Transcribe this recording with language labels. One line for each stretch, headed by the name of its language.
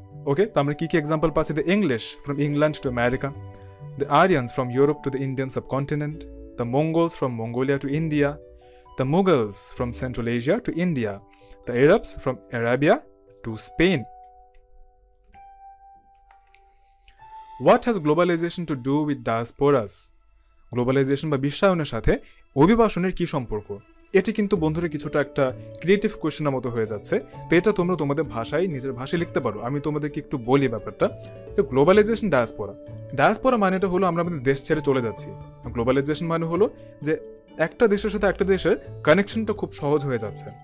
Bangla: ওকে, তো আমরা কী কী এক্সাম্পল পাচ্ছি?
English: The English from England to America, the Aryans from Europe to the Indian subcontinent, the Mongols from Mongolia to India, the Mughals from Central Asia to India, the Arabs from Arabia to Spain. What has globalization to do with diasporas?
Bangla: Globalization ba bishayoner sathe obibashoner ki somporko? এটি কিন্তু বন্ধুরে কিছুটা একটা creative কোয়েশ্চনের মতো হয়ে যাচ্ছে। তো এটা তোমরা তোমাদের ভাষায়, নিজের ভাষায় লিখতে পারো, আমি তোমাদেরকে একটু বলি ব্যাপারটা। যে গ্লোবালাইজেশন ডায়াসপোরা, ডায়াসপোরা মানেটা হলো আমরা আমাদের দেশ ছেড়ে চলে যাচ্ছি। গ্লোবালাইজেশন মানে হলো যে একটা দেশের সাথে একটা দেশের কানেকশনটা খুব সহজ হয়ে যাচ্ছে।